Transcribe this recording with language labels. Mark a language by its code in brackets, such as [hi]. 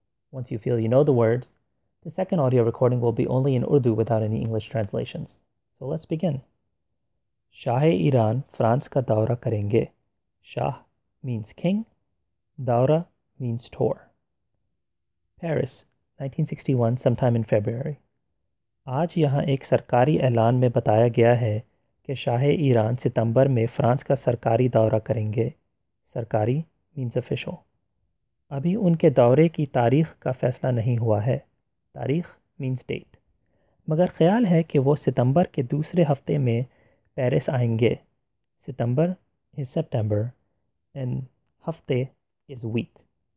[en] Once you feel you know the words, the second audio recording will be only in Urdu without any English translations. So let's begin. [ur] Shah-e-Iran, France ka daura karenge. [en] Shah means king, daura means tour. Paris, 1961, sometime in February. [ur] آج یہاں ایک سرکاری اعلان میں بتایا گیا ہے کہ شاہ ایران ستمبر میں فرانس کا سرکاری دورہ کریں گے. [en] سرکاری means official. [ur] ابھی ان کے دورے کی تاریخ کا فیصلہ نہیں ہوا ہے. [en] تاریخ means date. [ur] مگر خیال ہے کہ وہ ستمبر کے دوسرے ہفتے میں پیرس آئیں گے. [en] ستمبر is September and ہفتے is week.